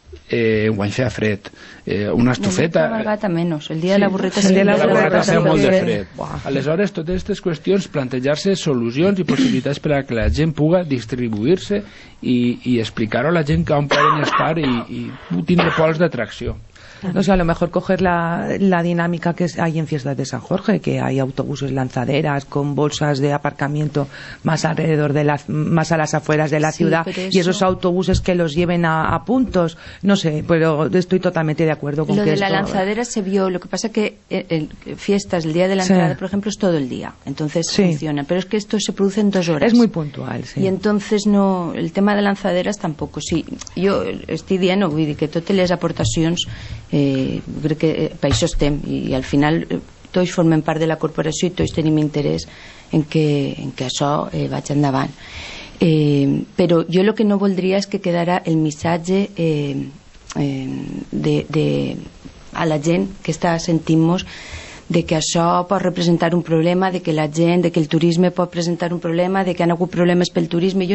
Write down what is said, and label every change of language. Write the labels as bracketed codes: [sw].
[ca] Guany feia fred, una estufeta, el dia de la burreta feia molt de fred. Aleshores, totes aquestes qüestions, plantejar-se solucions i possibilitats per a que la gent puga distribuir-se i explicar-ho a la gent que on poden estar i tindre pols d'atracció. [es] No sé, a lo mejor coger la dinámica que hay en Fiestas de San Jorge, que hay autobuses lanzaderas con bolsas de aparcamiento más a las afueras de la ciudad, y esos autobuses que los lleven a puntos, no sé, pero estoy totalmente de acuerdo con lo que de la lanzadera se vio. Lo que pasa que Fiestas, el día de la entrada, por ejemplo, es todo el día, entonces funciona, pero es que esto se produce en 2 horas, es muy puntual, y entonces no, el tema de lanzaderas tampoco. Sí, yo estoy diciendo, voy a decir que todas las aportaciones, [ca] crec que per això estem, i al final tots formem part de la corporació i tots tenim interès en que això vaig endavant, però jo el que no voldria és que quedara el missatge de a la gent que està sentint-nos de que això pot representar un problema, de que la gent, de que el turisme pot presentar un problema, de que han hagut problemes pel turisme.